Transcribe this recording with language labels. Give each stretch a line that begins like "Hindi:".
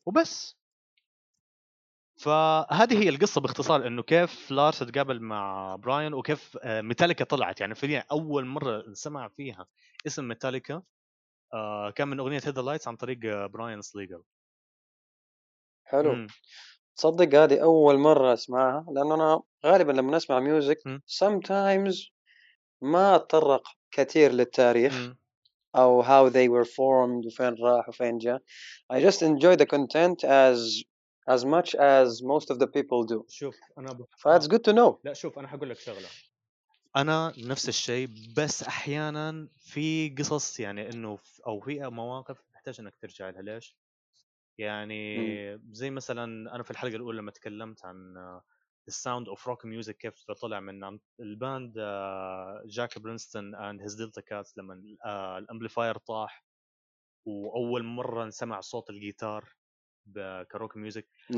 Arabic: وبس فهذه هي القصة باختصار انه كيف لارس اتقابل مع براين وكيف ميتاليكا طلعت يعني فعليا اول مرة نسمع فيها اسم ميتاليكا كان من اغنية هيد ذا لايتس عن طريق براين سليجل حلو. تصدق هذه أول مرة أسمعها، لأن أنا غالبا لما نسمع ميوزك sometimes ما أتطرق كثير للتاريخ أو
English: how they were formed
Arabic: وفين راح وفين جاء.
English: I just enjoy the content as much as most of the people do.
Arabic: شوف أنا
English: that's good to know.
Arabic: لا شوف أنا هقول لك شغلة، أنا نفس الشيء، بس أحيانا في قصص يعني إنه أو في مواقف تحتاج إنك ترجع لها. ليش؟ يعني زي مثلا أنا في الحلقة الأولى لما تكلمت عن
English: the sound of rock music
Arabic: كيف طلع من الباند جاك برينستون and his Delta Cats، لما الأمبليفاير طاح وأول مرة نسمع صوت الجيتار كروك ميوزك.